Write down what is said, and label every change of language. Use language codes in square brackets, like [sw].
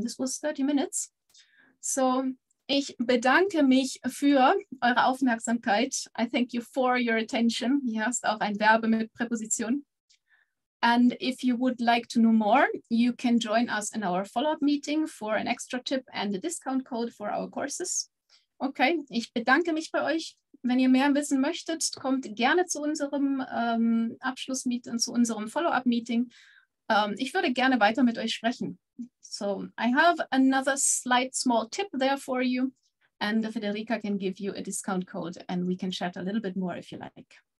[en] This was 30 minutes. [de] So ich bedanke mich für eure Aufmerksamkeit. [en] I thank you for your attention. [de] Hier hast auch ein Verb mit Präposition. [en] And if you would like to know more, you can join us in our follow-up meeting for an extra tip and a discount code for our courses. [de] Okay, ich bedanke mich bei euch. Wenn ihr mehr wissen möchtet, kommt gerne zu unserem Abschlussmeeting, zu unserem Follow-up-Meeting. Ich würde gerne weiter mit euch sprechen. [en] So, I have another slight small tip there for you. And Federica can give you a discount code and we can chat a little bit more if you like.